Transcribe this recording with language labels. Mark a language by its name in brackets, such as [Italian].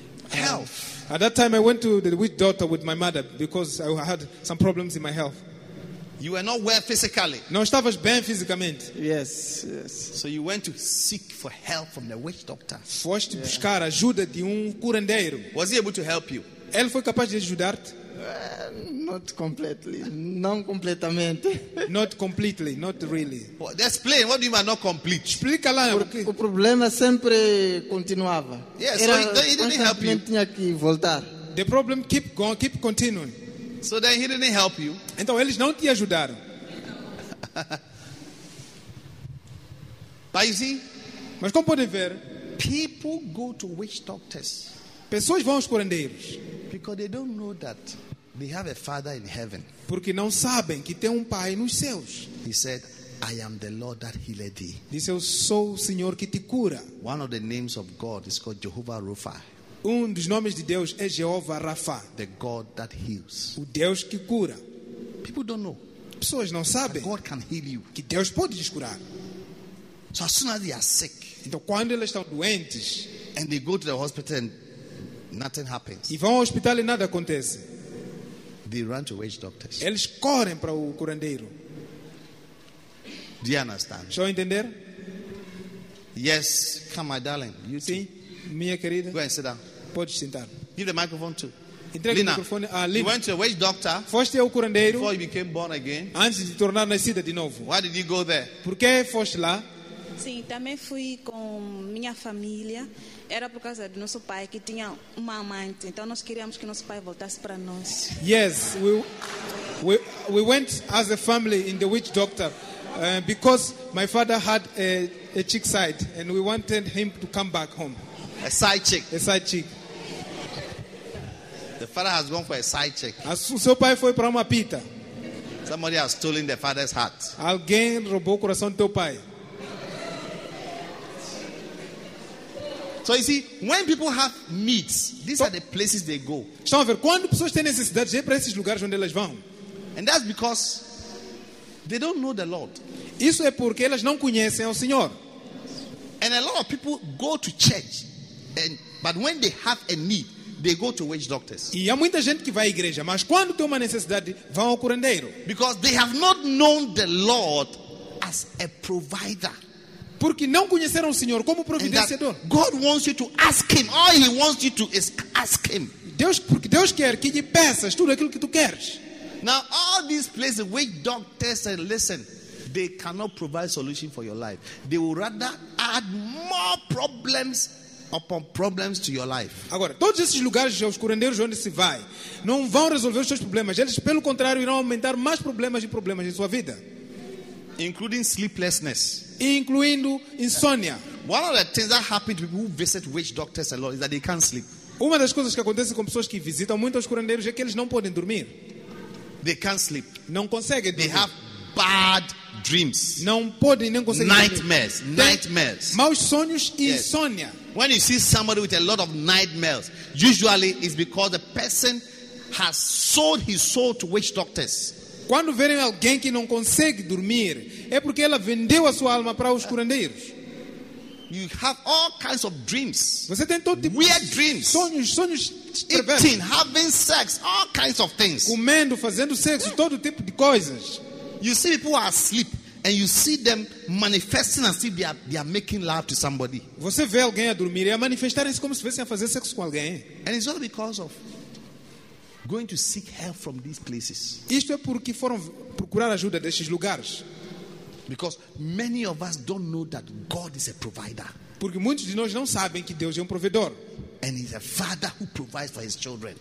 [English] Health. At that time I went to the witch doctor with my mother because I had some problems in my health. You were not well physically. [Portuguese] Não estavas bem fisicamente. [English] Yes, yes. So you went to seek for help from the witch doctor. [Portuguese] Foste buscar ajuda de curandeiro. [English] Was he able to help you? [Portuguese] Ele foi capaz de ajudar-te? [English] Not completely. [Portuguese] Não completamente. [English] Not completely, not really. Well, explain, what do you mean not complete? [Portuguese] Explica lá. O problema sempre continuava. [English] Yes, yeah, so he didn't help you. [Portuguese] Tinha que voltar. [English] The problem keep going, keep continuing. So then he didn't help you. [Portuguese] Então eles não te ajudaram. [English] But you see, [Portuguese] mas como podem ver, [English] people go to witch doctors. [Portuguese] Pessoas vão aos curandeiros. [English] Because they don't know that they have a father in heaven. [Portuguese] Porque não sabem que tem pai nos céus. [English] He said, I am the Lord that healed thee. [Portuguese] Disse, eu sou o Senhor que te cura. [English] One of the names of God is called Jehovah Rapha. [Portuguese] Dos nomes de Deus é Jeová Rafa. [English] The God that heals. [Portuguese] O Deus que cura. [English] People don't know. [Portuguese] Pessoas não sabem. [English] God can heal you. [Portuguese] Que Deus pode te curar. [English] So as soon as they are sick. [Portuguese] Então quando eles estão doentes. [English] And they go to the hospital and nothing happens. [Portuguese] E vão ao hospital e nada acontece. [English] They run to witch doctors. [Portuguese] Eles correm para o curandeiro. [English] Do you understand? [Portuguese] Estão a entender? [English] Yes, come my darling. You [Portuguese] see? Minha querida. [English] Go and sit down. [Portuguese] Pode sentar. [English] Give the microphone to. [Portuguese] Entregue o microfone a Lina. [English] You went to a witch doctor. [Portuguese] Foste ao curandeiro. [English] Before you became born again. [Portuguese] Antes de tornar nascida de novo. [English] Why did you go there? [Portuguese] Por que foste lá? Sim, também fui com minha família. Era por causa do nosso pai que tinha uma amante. Então nós queríamos que nosso pai voltasse para nós. [English] Yes, we went as a family in the witch doctor because my father had a chick side and we wanted him to come back home. A side chick. A side chick. The father has gone for a side chick. [Portuguese] Seu pai foi para uma pita. [English] Somebody has stolen the father's heart. [Portuguese] Alguém roubou o coração do teu pai. [English] So you see, when people have needs, these are the places they go. [Portuguese] Estão a ver, quando pessoas têm necessidades, é para esses lugares onde elas vão. [English] And that's because they don't know the Lord. [Portuguese] Isso é porque elas não conhecem o Senhor. [English] And a lot of people go to church, but when they have a need, they go to witch doctors. [Portuguese] E há muita gente que vai à igreja, mas quando tem uma necessidade, vão ao curandeiro. [English] Because they have not known the Lord as a provider. [Portuguese] Porque não conheceram o Senhor como providenciador. [English] God wants you to ask him. All he wants you to is ask him. [Portuguese] Deus quer que lhe peças tudo aquilo que tu queres. [English] Now all these places, witch doctors, and listen, they cannot provide solution for your life. They will rather add more problems upon problems to your life. [Portuguese] Agora, todos esses lugares, os curandeiros onde se vai, não vão resolver os seus problemas. Eles, pelo contrário, irão aumentar mais problemas e problemas em sua vida. [English] Including sleeplessness. [Portuguese] Incluindo insônia. [English] One of the things that happen to people who visit witch doctors a lot is that they can't sleep. [Portuguese] Uma das coisas que acontece com pessoas que visitam muitos curandeiros é que eles não podem dormir. [English] They can't sleep. [Portuguese] Não conseguem dormir. [English] They have bad dreams. [Portuguese] Não podem nem conseguem [English] nightmares, [Portuguese] dormir. [English] Nightmares. [Portuguese] Maus sonhos e insônia. [English] When you see somebody with a lot of nightmares, usually it's because the person has sold his soul to witch doctors. [Portuguese] Quando verem alguém que não consegue dormir, é porque ela vendeu a sua alma para os curandeiros. [English] You have all kinds of dreams. [Portuguese] Você tem todo tipo [English] weird dreams. [Portuguese] Sonhos perversos. [English] Eating, having sex, all kinds of things. [Portuguese] Comendo, fazendo sexo, todo tipo de coisas. [English] You see people who are asleep and you see them manifesting as if they are making love to somebody. [Portuguese] Você vê alguém a dormir e a manifestarem-se como se estivessem a fazer sexo com alguém. [English] And it's all because of going to seek help from these places. [Portuguese] Isto é porque foram procurar ajuda destes lugares. [English] Because many of us don't know that God is a provider. [Portuguese] Porque muitos de nós não sabem que Deus é provedor. [English] And he's a father who provides for his children.